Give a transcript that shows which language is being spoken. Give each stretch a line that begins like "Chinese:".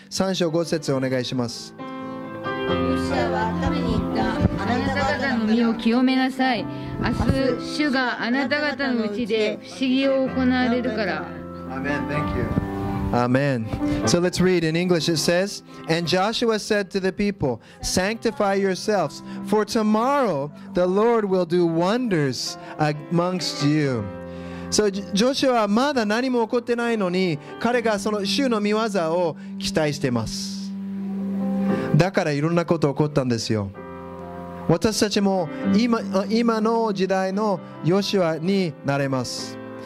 Japanese: 三章五節をお願いします。ヨシュアは民に言った。あなた方の身を清めなさい。明日主があなた方のうちで不思議を行われるから。
English: Amen. Thank you. Amen. So let's read in English. It says, "And Joshua said to the people, 'Sanctify yourselves, for tomorrow the Lord will do wonders amongst you.'"
Japanese: So, ジョシュアはまだ何も起こってないのに、彼がその主の御業を期待しています。だからいろんなこと起こったんですよ。私たちも 今の時代のヨシュアになれます。